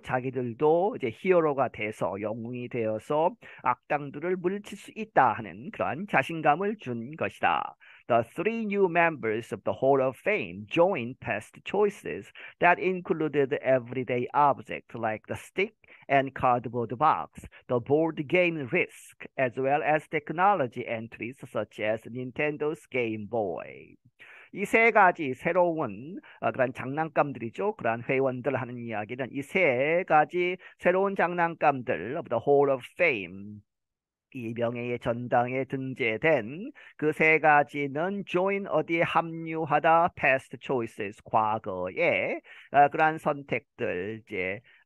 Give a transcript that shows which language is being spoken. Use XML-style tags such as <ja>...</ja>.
<ko>자기들도 이제 히어로가 돼서 영웅이 되어서 악당들을 물리칠 수 있다 하는 그러한 자신감을 준 것이다.</ko> <en>The three new members of the Hall of Fame joined past choices that included everyday objects like the stick and cardboard box, the board game Risk, as well as technology entries such as Nintendo's Game Boy.</en> <ko>이세 가지 새로운 그런 장난감들이죠. 그런 회원들 하는 이야기는 이세 가지 새로운 장난감들</ko> <en>of the Hall of Fame.</en> <ko>이 명예의 전당에 등재된 그세 가지는 join 어디에 합류하다</ko> <en>past choices</en> <ko>과거에 그러한 선택들 이제</ko>